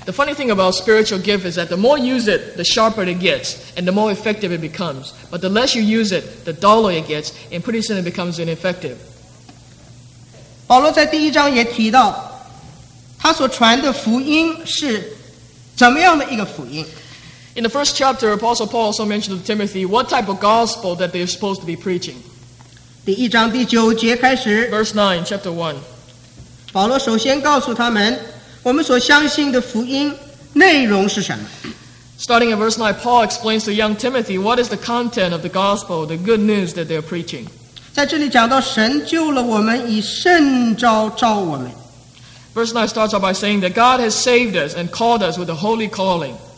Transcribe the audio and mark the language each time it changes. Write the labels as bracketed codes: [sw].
[en] The funny thing about spiritual gift is that the more you use it, the sharper it gets, and the more effective it becomes. But the less you use it, the duller it gets, and pretty soon it becomes ineffective. [zh] 保罗在第一章也提到。他所传的福音是怎么样的一个福音? [en] In the first chapter, Apostle Paul also mentioned to Timothy what type of gospel that they're supposed to be preaching. [zh] 第一章第九节开始, [en] Verse 9, chapter 1. [zh] 保罗首先告诉他们, 我们所相信的福音内容是什么? [en] Starting at verse 9, Paul explains to young Timothy what is the content of the gospel, the good news that they're preaching. [zh] 在这里讲到神救了我们以圣召召我们。 [en] Verse 9 starts out by saying that God has saved us and called us with a holy calling.